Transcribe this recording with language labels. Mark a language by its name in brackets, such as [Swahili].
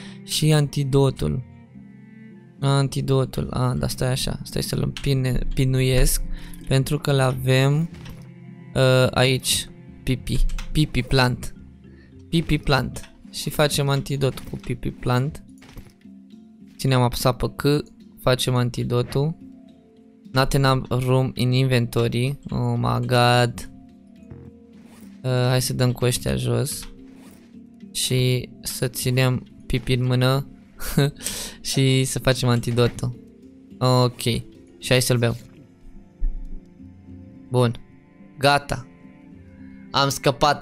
[Romanian] Și antidotul. Antidotul, a, dar stai așa, stai să-l pinuiesc. Pentru că le avem aici pipi plant. Și facem antidot cu pipi plant. Ținem apăsat pe C, facem antidotul. [English] Not enough room in inventory. Oh my god. [Romanian] Hai să dăm cu ăștia jos și să ținem pipi în mână și să facem antidotul. Ok. Și hai să-l bem. Bun. Gata. Am scăpat.